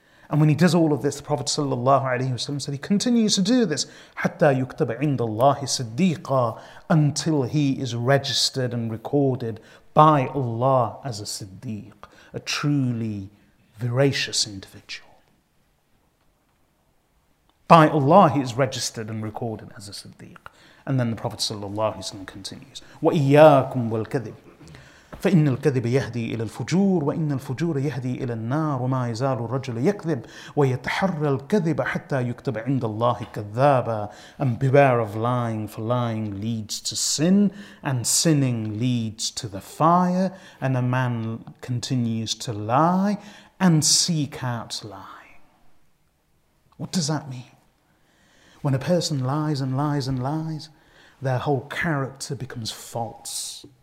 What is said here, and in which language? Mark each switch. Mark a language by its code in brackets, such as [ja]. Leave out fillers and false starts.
[en] And when he does all of this, the Prophet sallallahu alaihi wasallam said, he continues to do this, [ar] حَتَّى يُكْتَبَ عِنْدَ اللَّهِ صِدِّيقًا, [en] until he is registered and recorded by Allah as a Siddiq, a truly veracious individual. By Allah he is registered and recorded as a Siddiq. And then the Prophet sallallahu alaihi wasallam continues, [ar] وَإِيَّاكُمْ وَالْكَذِبِ فإن الكذب يهدي إلى الفجور وإن الفجور يهدي إلى النار وما يزال الرجل يكذب ويتحرى الكذب حتى يكتب عند الله كذابا. [en] And beware of lying, for lying leads to sin, and sinning leads to the fire. And a man continues to lie and seek out lying. What does that mean? When a person lies and lies and lies, their whole character becomes false.